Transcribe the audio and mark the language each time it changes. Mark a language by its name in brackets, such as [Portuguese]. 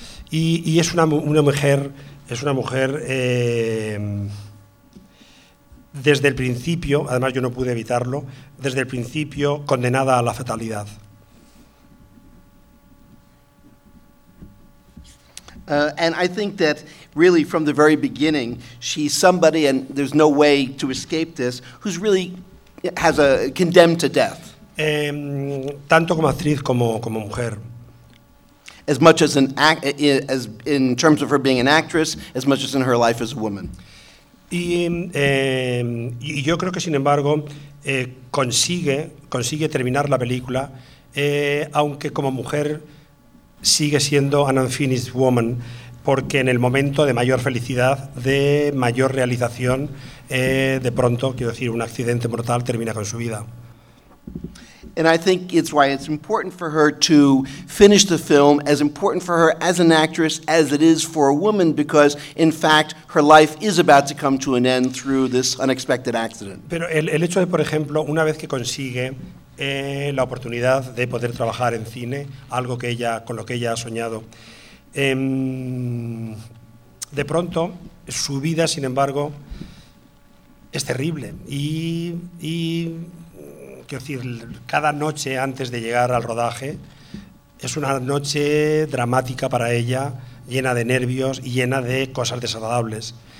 [Spanish] Y es una mujer desde el principio, además yo no pude evitarlo, desde el principio condenada a la fatalidad. [English] And I think that really from the very beginning, she's somebody, and there's no way to escape this, who's really has a condemned to death. [Spanish] Tanto como actriz como mujer. [English] As much as in terms of her being an actress, as much as in her life as a woman. [Spanish] Y yo creo que sin embargo consigue terminar la película, aunque como mujer sigue siendo [English] an unfinished woman, [Spanish] porque en el momento de mayor felicidad, de mayor realización, de pronto, quiero decir, un accidente mortal termina con su vida. [English] And I think it's why it's important for her to finish the film, as important for her as an actress as it is for a woman, because, in fact, her life is about to come to an end through this unexpected accident. [Spanish] Pero el hecho de, por ejemplo, una vez que consigue la oportunidad de poder trabajar en cine, algo que ella, con lo que ella ha soñado, de pronto, su vida, sin embargo, es terrible. Y quiero decir, cada noche antes de llegar al rodaje es una noche dramática para ella, llena de nervios y llena de cosas desagradables.